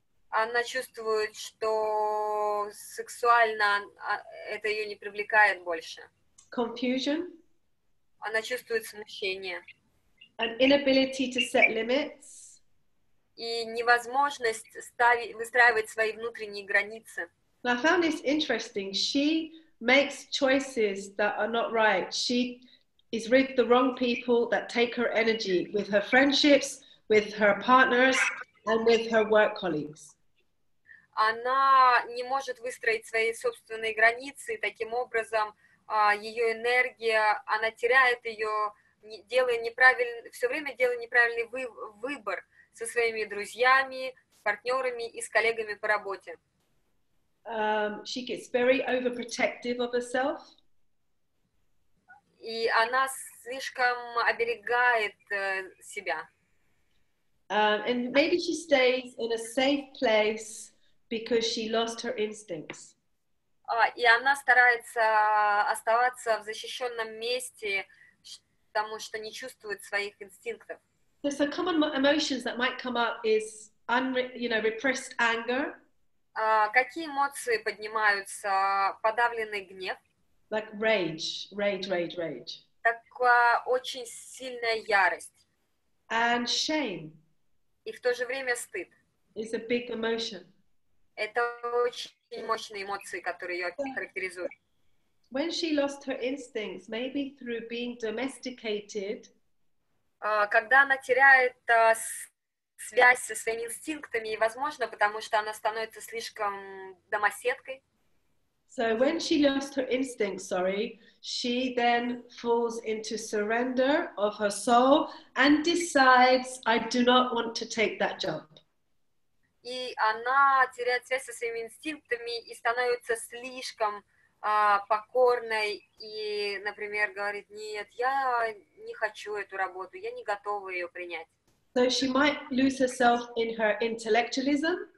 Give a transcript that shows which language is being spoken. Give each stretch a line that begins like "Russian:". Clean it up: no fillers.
Russian: Она чувствует, что сексуально это ее не привлекает больше.
English: Confusion.
Russian: Она чувствует смущение.
English: An inability to set limits.
Russian: И невозможность ставить, выстраивать свои внутренние границы.
English: Now, I found this interesting. She makes choices that are not right. She is with the wrong people that take her energy with her friendships, with her partners, and with her work colleagues.
Russian: Она не может выстроить свои собственные границы, таким образом ее энергия, она теряет ее, делая неправильный, все время делая неправильный выбор со своими друзьями, партнерами и с коллегами по работе.
English: She gets very overprotective of herself.
Russian: И она слишком оберегает себя.
English: And maybe she stays in a safe place because she lost her instincts.
Russian: И она старается оставаться в защищенном месте, потому что не чувствует своих инстинктов.
English: There's some common emotions that might come up is repressed anger.
Russian: Какие эмоции поднимаются? Подавленный гнев.
English: Like rage.
Russian: Такая очень сильная ярость.
English: And shame.
Russian: И в то же время стыд.
English: It's a big emotion.
Russian: Это очень мощные эмоции, которые ее характеризуют.
English: When she lost her instincts, maybe through being domesticated.
Russian: Когда она теряет связь со своими инстинктами, возможно, потому что она становится слишком домоседкой.
English: So when she lost her instincts, she then falls into surrender of her soul and decides, I do not want to take that job.
Russian: И она теряет связь со своими инстинктами и становится слишком покорной и, например, говорит, нет, я не хочу эту работу, я не готова ее принять.
English: So she might lose herself in her intellectualism.